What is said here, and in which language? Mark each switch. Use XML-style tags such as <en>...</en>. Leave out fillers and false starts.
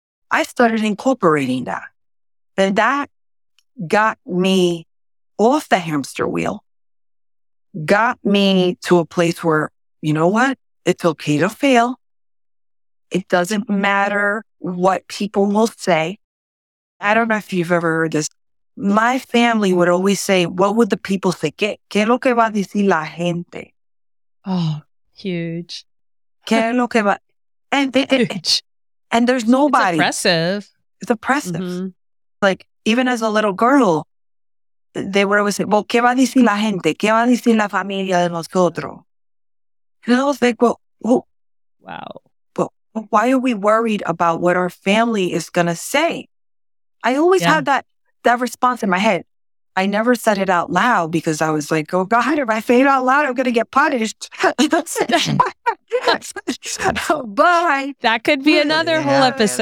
<en>I started incorporating that. And that got me off the hamster wheel, got me to a place where, you know what? It's okay to fail. It doesn't matter what people will say. I don't know if you've ever heard this. My family would always say, what would the people say?</en> <es>¿Qué es lo que va a decir la gente?</es> <en>Oh, huge. Huge. And there's nobody. It's oppressive. It's oppressive. Mm-hmm. Like, even as a little girl, they would always say, well,</en> <es>¿qué va a decir la gente? ¿Qué va a decir la familia de nosotros?</es> <en>And I was like, well, why are we worried about what our family is going to say? I always had that response in my head. I never said it out loud because I was like, oh God, if I say it out loud, I'm going to get punished. That could be another whole episode.</en>